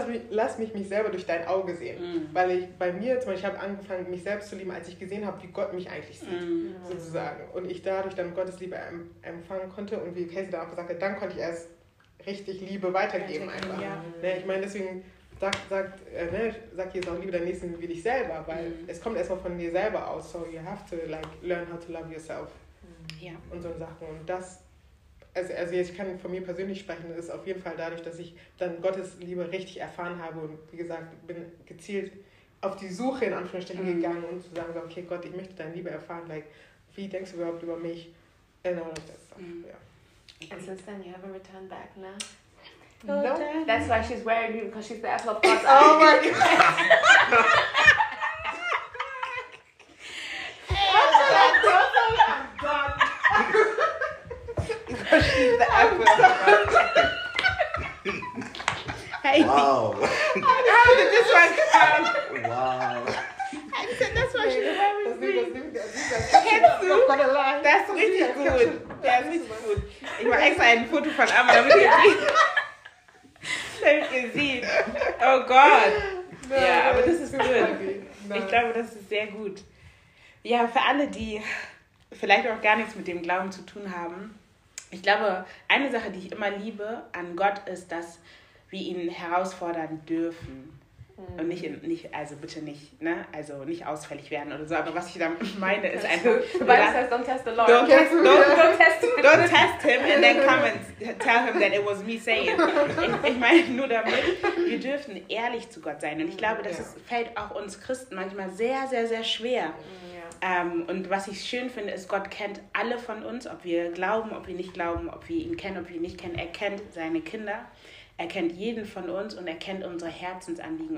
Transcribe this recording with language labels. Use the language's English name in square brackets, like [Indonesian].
[German] lass mich selber durch dein Auge sehen. Mm. Weil ich bei mir zum Beispiel, ich habe angefangen, mich selbst zu lieben, als ich gesehen habe, wie Gott mich eigentlich sieht, sozusagen. Und ich dadurch dann Gottes Liebe empfangen konnte und wie Casey da auch gesagt hat, dann konnte ich erst richtig Liebe weitergeben einfach. Ja. Ich meine, deswegen sagt Jesus auch, liebe deinen Nächsten wie dich selber, weil es kommt erstmal von dir selber aus. [English] So you have to like learn how to love yourself. [German] Ja. Und so Sachen. Und das, also jetzt, ich kann von mir persönlich sprechen, ist auf jeden Fall dadurch, dass ich dann Gottes Liebe richtig erfahren habe und wie gesagt, bin gezielt auf die Suche in Anführungsstrichen gegangen und zu sagen, okay Gott, ich möchte deine Liebe erfahren, like, wie denkst du überhaupt über mich? [English] And all of that stuff, ja. And since then you haven't returned back, ne? No. That's why she's wearing you, because she's the apple of God's eye. Oh my God. Hey. Wow. How did this one come? Wow. I said that's why she's wearing me. That's really good. That's really good. [German] Ich war extra ein Foto von Amma, damit ihr sieht. [English] Oh God. [German] Ja, yeah, aber das ist good. Ich glaube, das ist sehr gut. Ja, für alle, die vielleicht auch gar nichts mit dem Glauben zu tun haben. Ich glaube, eine Sache, die ich immer liebe an Gott, ist, dass wir ihn herausfordern dürfen. Mhm. Und nicht ausfällig werden oder so. Aber was ich damit meine, ist einfach... Weil es heißt, [English] don't test the Lord. Don't test him and then come and tell him that it was me saying. [German] Ich meine nur damit, wir dürfen ehrlich zu Gott sein. Und ich glaube, das fällt auch uns Christen manchmal sehr, sehr, sehr schwer. Und was ich schön finde, ist, Gott kennt alle von uns, ob wir glauben, ob wir nicht glauben, ob wir ihn kennen, ob wir ihn nicht kennen. Er kennt seine Kinder, er kennt jeden von uns und er kennt unsere Herzensanliegen.